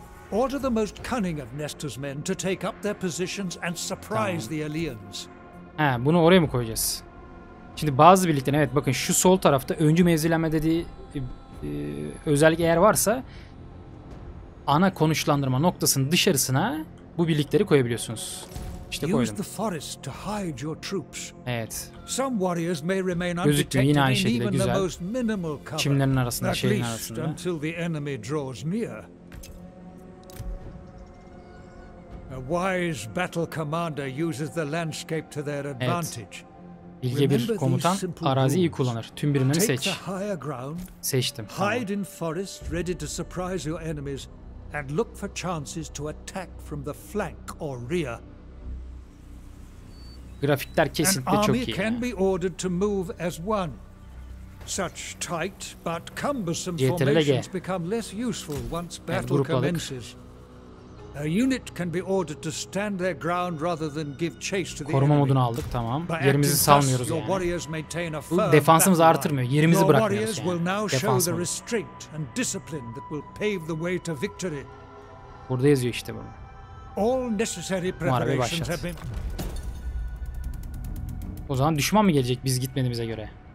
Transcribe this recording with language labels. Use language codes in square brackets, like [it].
[en] Order the most cunning of Nestor's men to take up their positions and surprise the aliens. [tr] Bunu oraya mı koyacağız? Şimdi bazı birlikler, evet bakın şu sol tarafta öncü mevzileme dediği özellik eğer varsa ana konuşlandırma noktasının dışarısına bu birlikleri koyabiliyorsunuz. İşte koydum. [en] Use the forest to hide your troops. [tr] Evet. [en] Some warriors may remain undetected in even the most minimal cover. [tr] Çimlerin arasında, şeyin arasında. [en] Until the enemy draws near. A wise battle commander uses the landscape to their advantage. [tr] Bilge bir komutan araziyi kullanır. Tüm birimleri seç. Seçtim. [en] Hide in forest ready to surprise your enemies and look for chances to attack from the flank or rear. [tr] Grafikler kesinlikle çok iyi. [en] An army can be ordered to move as one. Such tight but cumbersome formations become less useful once battle commences. A unit can be ordered to stand their ground rather than give chase to the enemy. [tr] Koruma modunu aldık, tamam. Yerimizi salmıyoruz yani. Defansımızı artırmıyor, yerimizi bırakmıyoruz yani. Defans modu. [en] Restraint and discipline that will pave the way to victory. [tr] Burada yazıyor işte bunu. [en] All necessary preparations have been. [tr] O zaman düşman mı gelecek biz gitmediğimize göre?